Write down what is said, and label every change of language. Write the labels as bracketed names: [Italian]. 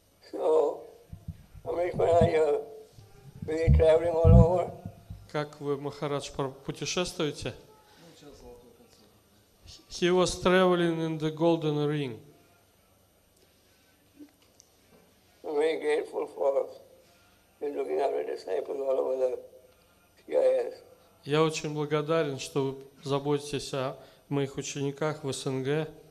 [English] So, Ambarisha Maharaj, are you traveling all over? [Russian] Как вы, Махарадж, путешествуете? [English] He was traveling in the golden ring. I'm very grateful for looking after disciples all over the CIS. [Russian] Я очень благодарен, что вы заботитесь о моих учениках в СНГ.